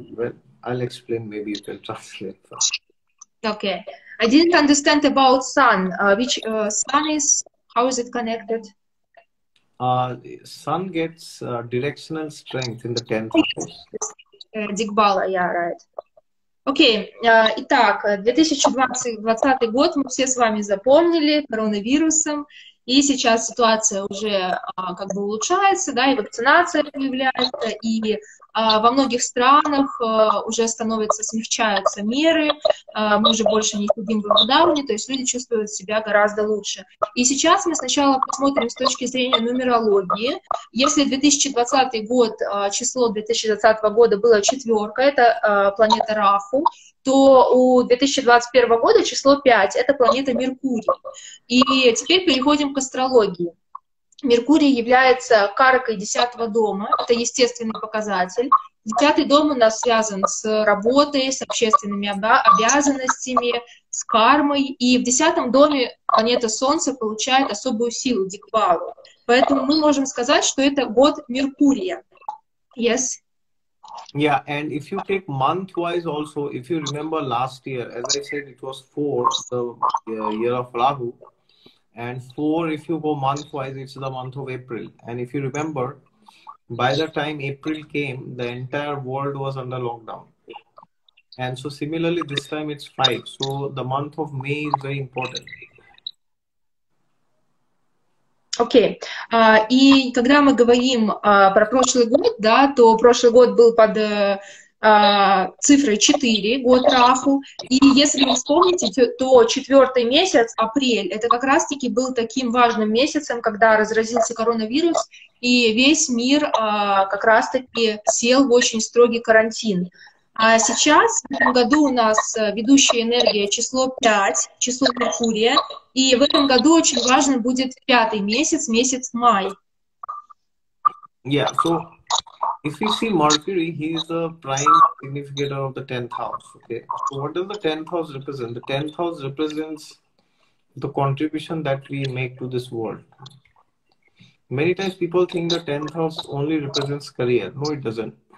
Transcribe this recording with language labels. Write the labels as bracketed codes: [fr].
[en] Well, I'll explain, maybe you can translate first. Okay. I didn't understand about sun. Which sun is, how is it connected? Sun gets directional strength in the 10th house. Дигбала, yeah, right. [ru] Okay, итак, 2020 год мы все с вами запомнили коронавирусом, и сейчас ситуация уже как бы улучшается, да, и вакцинация появляется, и во многих странах уже смягчаются меры, мы уже больше не сидим в локдауне, то есть люди чувствуют себя гораздо лучше. И сейчас мы сначала посмотрим с точки зрения нумерологии. Если 2020 год, число 2020 года было 4, это планета Раху, то у 2021 года число 5, это планета Меркурий. И теперь переходим к астрологии. Меркурий является каркой 10-го дома, это естественный показатель. 10-й дом у нас связан с работой, с общественными обязанностями, с кармой. И в 10-м доме планета Солнца получает особую силу, дигбалу. Поэтому мы можем сказать, что это год Меркурия. [en] Yes? Yeah, and if you take month-wise also, if you remember last year, as I said, it was 4, the year of Rahu. And 4, if you go month-wise, it's the month of April. And if you remember, by the time April came, the entire world was under lockdown. And so similarly, this time it's 5. So the month of May is very important. Окей. Okay. [ru] И когда мы говорим про прошлый год, да, то прошлый год был под цифрой 4, год Раху. И если вы вспомните, то 4-й месяц, апрель, это как раз-таки был таким важным месяцем, когда разразился коронавирус, и весь мир как раз-таки сел в очень строгий карантин. А сейчас в этом году у нас ведущая энергия число 5, число Меркурия, и в этом году очень важен будет 5-й месяц, месяц май. [en] Yeah, so if you see Mercury, he is the prime significator of the 10th house. Okay, so what does the 10th house represent? The 10th house represents the contribution that we make to this world. Many times people think the 10th house only represents career. No, it doesn't.